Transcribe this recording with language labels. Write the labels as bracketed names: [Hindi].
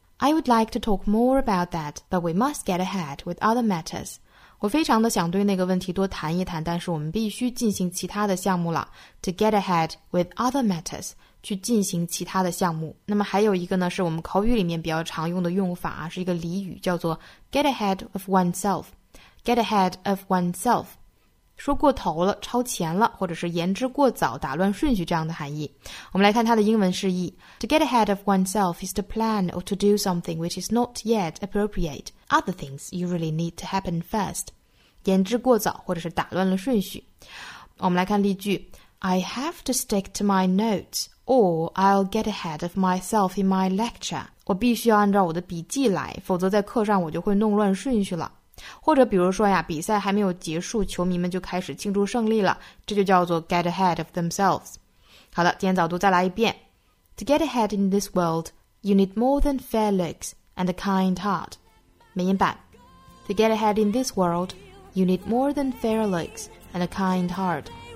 [English] I would like to talk more about that, but we must get ahead with other matters. [Chinese] 我非常的想对那个问题多谈一谈，但是我们必须进行其他的项目了。 [English] To get ahead with other matters, [Chinese] 去进行其他的项目。那么还有一个呢，是我们口语里面比较常用的用法，是一个俚语，叫做 [English] get ahead of oneself. Get ahead of oneself. [Chinese] 说过头了，超前了，或者是言之过早，打乱顺序这样的含义。我们来看它的英文释义。 [English] To get ahead of oneself is to plan or to do something which is not yet appropriate. Other things usually need to happen first. [Chinese] 言之过早或者是打乱了顺序。我们来看例句。 [English] I have to stick to my notes, or I'll get ahead of myself in my lecture. [Chinese] 我必须要按照我的笔记来，否则在课上我就会弄乱顺序了。或者比如说呀，比赛还没有结束，球迷们就开始庆祝胜利了，这就叫做 [English] get ahead of themselves. [Chinese] 好的，今天早读再来一遍。 [English] To get ahead in this world, you need more than fair looks and a kind heart. [Chinese] 美音版 [English] To get ahead in this world, you need more than fair looks and a kind heart.